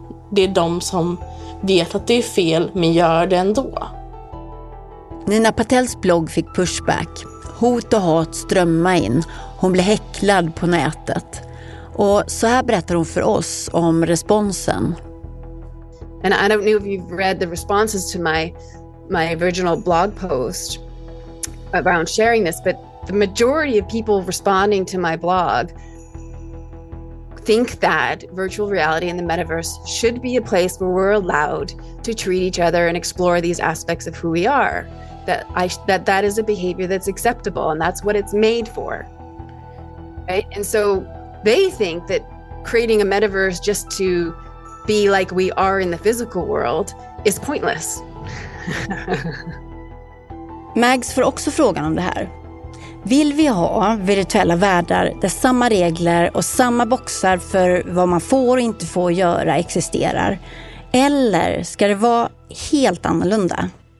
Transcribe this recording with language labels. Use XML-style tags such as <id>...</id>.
<sv>Det är de som vet att det är fel, men gör det ändå. Nina Patels blogg fick pushback. Hot och hat strömmar in. Hon blev häcklad på nätet. Och så här berättar hon för oss om responsen.</sv> <en>And I don't know if you've read the responses to my original blog post around sharing this, but the majority of people responding to my blog think that virtual reality and the metaverse should be a place where we're allowed to treat each other and explore these aspects of who we are. That is a behavior that's acceptable, and that's what it's made for. Right? And so they think that creating a metaverse just to be like we are in the physical world is pointless.</en> <sv>Mags får också frågan om det här. Vill vi ha virtuella världar där samma regler och samma boxar för vad man får och inte får göra existerar? Eller ska det vara helt annorlunda?</sv>